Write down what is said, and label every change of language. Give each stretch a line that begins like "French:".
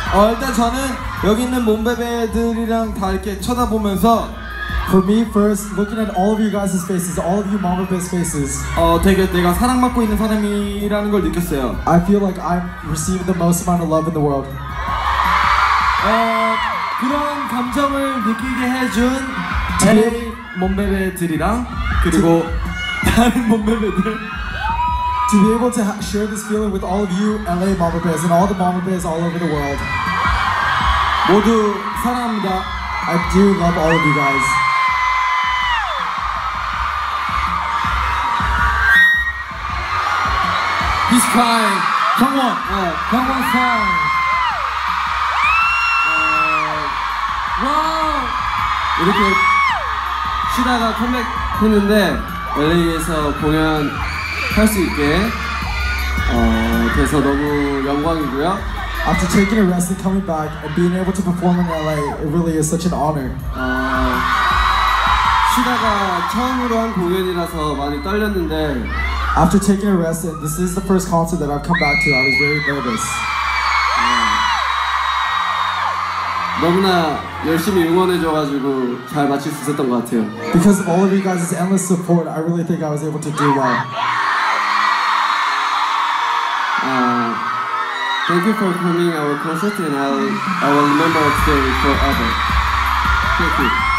Korean: 일단 저는 여기 있는 몬베베들이랑 다 이렇게 쳐다보면서
English: For me, first, looking at all of you guys' faces, all of you Mama Bear's faces,
Korean: 되게 내가 사랑받고 있는 사람이라는 걸 느꼈어요.
English: I feel like I'm receiving the most amount of love in the world.
Korean: 그런 감정을 느끼게 해준 LA 몬베베들이랑 그리고 다른 몬베베들.
English: To be able to share this feeling with all of you LA Mama Bears and all the Mama Bears all over the world.
Korean: 모두 사랑합니다.
English: I do love all of you guys.
Korean: 비스카이 경원 경원 상 와우 이렇게 쉬다가 컴백했는데 LA에서 공연 할 수 있게 돼서 너무 영광이고요.
English: After taking a rest and coming back and being able to perform in LA, it really is such an honor.
Korean: 쉬다가 처음으로 한 공연이라서 많이 떨렸는데
English: After taking a rest, and this is the first concert that I've come back to. I was very nervous.
Korean: 너무나 열심히 응원해줘가지고 잘 마칠 수 있었던 것 같아요.
English: Because of all of you guys' endless support, I really think I was able to do well. Thank you for coming to our concert, and I will remember it today forever. Thank you.